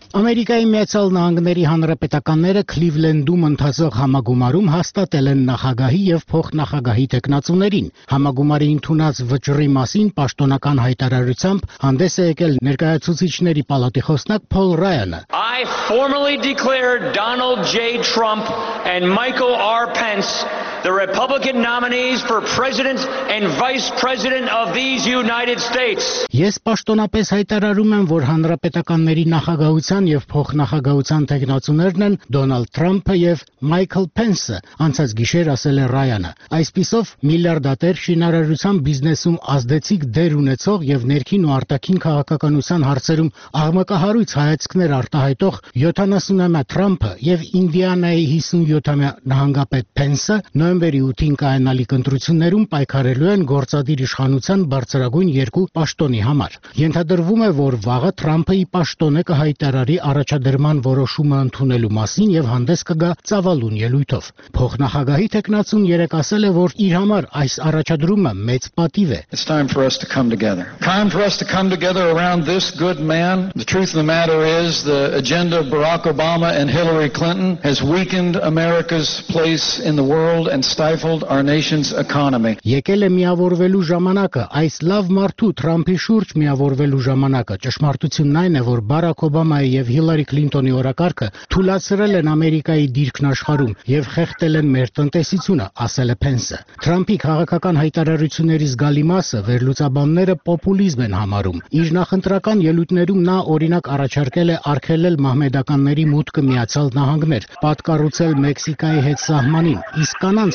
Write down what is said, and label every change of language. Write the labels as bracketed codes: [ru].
[hy] Ամերիկայի Միացյալ Նահանգների հանրապետականները Քլիվլենդում ընթացող համագումարում հաստատել են նախագահի և փոխնախագահի թեկնածուներին։ Համագումարի ընդունած վճռի մասին պաշտոնական հայտարարությամբ հանդես է եկել ներկայացուցիչների պալատի խոսնակ Փոլ Ռայանը։ [en] I formally declare Donald J. Trump and Michael R. Pence the Republican nominees for President and Vice President of these United States. [hy] Ես պաշտոնապես հայտարարում եմ, որ հանրապետականների նախագահության և փոխնախագահ ցանտեգնացուներն են Դոնալդ Թրամփը եւ Մայքլ Պենսը, անցած գիշեր ասել է Ռայանը։ Այսպիսով միլիարդատեր շինարարության բիզնեսում ազդեցիկ դեր ունեցող եւ ներքին ու արտաքին քաղաքականության հարցերում աղմկահարույց հայացքներ արտահայտող 70-ամյա Թրամփը եւ Ինդիանայի 57-ամյա նահանգապետ Պենսը նոյեմբերի 8-ին կայանալիք ընտրություններում պայքարելու են գործադիր իշխանության բարձրագույն երկու պաշտոնի համար։ Ենթադրվում է, որ վաղը Թրամփը ի պաշտոնը կհայտարարի առաջադրման որոշումը ընդունելու մասին եւ հանդես կգա ծավալուն ելույթով։ Փոխնախագահի թեկնածուն երեկ ասել է, որ իր համար այս առաջադրումը մեծ պատիվ է։ [en] It's time for us to come together. Time for us to come together around this good man. The truth of the matter is the agenda of Barack Obama and Hillary Clinton has weakened America's place in the world and stifled our nation's economy. [hy] Եկել է միավորվելու ժամանակը, այս լավ մարդու Թրամփի շուրջ միավորվելու ժամանակը։ Ճշմարտությունն այն է, որ Բարակ Օբամայի եւ Հիլարի Քլինտոնի օրակարգը թույլացրել են Ամերիկայի դիրքն աշխարհում եւ խեղտել են մեր տնտեսությունը, ասել է Պենսը։ Թրամփի քաղաքական հայտարարությունների զգալի մասը վերլուծաբանները պոպուլիզմ են համարում։ Իր նախընտրական ելույթներում նա օրինակ առաջարկել է արգելել մահմեդականների մուտքը Միացյալ Նահանգներ, պատկառուցել Մեքսիկայի հետ սահմանին, իսկ կանանց